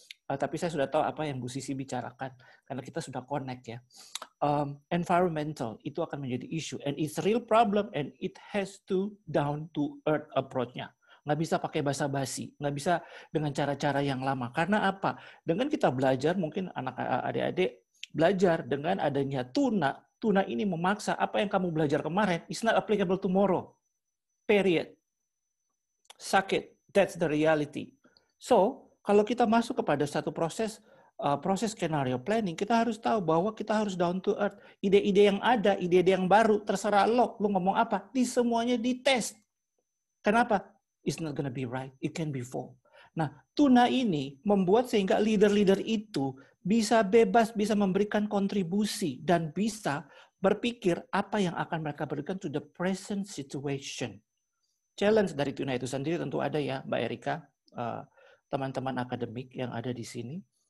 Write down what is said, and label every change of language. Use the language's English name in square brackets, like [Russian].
[Indonesian] Tapi saya sudah tahu apa yang Bu Sisi bicarakan, karena kita sudah connect ya. Environmental, itu akan menjadi issue. [English] And it's real problem, and it has to down to earth approach-nya. [Indonesian] Nggak bisa pakai bahasa basi, nggak bisa dengan cara-cara yang lama. Karena apa? Dengan kita belajar, mungkin anak adik-adik belajar dengan adanya tuna, tuna ini memaksa apa yang kamu belajar kemarin, [English] it's not applicable tomorrow. Period. [Indonesian] Sakit, [English] that's the reality. So, [Indonesian] kalau kita masuk kepada satu proses proses scenario planning, kita harus tahu bahwa kita harus down to earth. Ide-ide yang ada, ide-ide yang baru, terserah lo ngomong apa, di semuanya dites. Kenapa? [English] It's not gonna be right, it can be wrong. [Indonesian] Nah, tuna ini membuat sehingga leader-leader itu bisa bebas, bisa memberikan kontribusi, dan bisa berpikir apa yang akan mereka berikan [English] to the present situation. [Indonesian] Challenge dari tuna itu sendiri tentu ada ya, Mbak Erika, teman-teman akademik yang ada di sini.